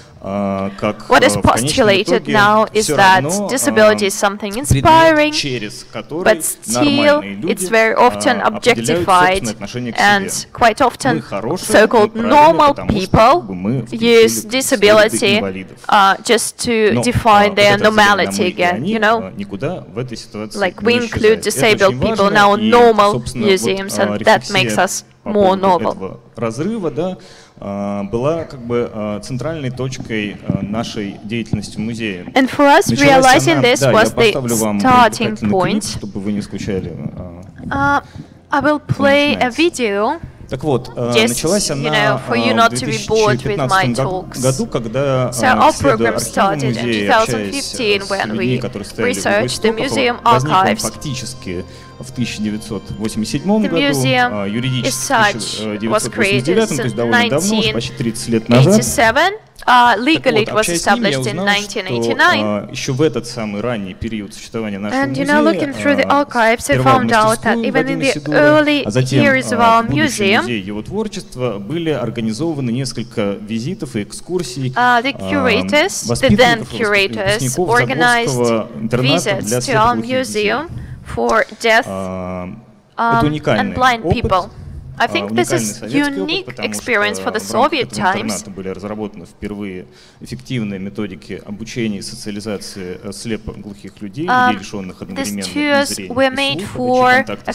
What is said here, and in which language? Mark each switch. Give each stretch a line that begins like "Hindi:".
English: What is postulated now is that disability is something inspiring, but still it's very often objectified, and quite often so-called normal people use disability just to define their normality again, you know, like we include disabled people in our normal museums, and that makes us more novel.
Russian: Этого разрыва, да, была как бы центральной точкой нашей деятельности музея.
English: And for us, realizing this was the starting point.
Russian: Чтобы вы не скучали.
English: I will play a video.
Russian: Так вот, началась она в 2015 году, когда исследуя архивы музея, общаясь с людьми, которые стояли в выставке, возник он фактически в 1987 году, юридически в 1989, то есть довольно давно, почти 30 лет назад.
English: Legally it was established in 1989.
Russian: Еще в этот самый ранний период существования нашего музея.
English: And you know, looking through the archives, I found out that even in the early years of our museum,
Russian: его творчество были организованы несколько визитов и экскурсий.
English: The curators, the then curators, organized visits to our museum for deaf and blind people. I think this is unique experience for the Soviet times.
Russian: Интернаты были разработаны впервые эффективные методики обучения и социализации слепоглухих людей, людей, лишенных одновременно зрения и слуха,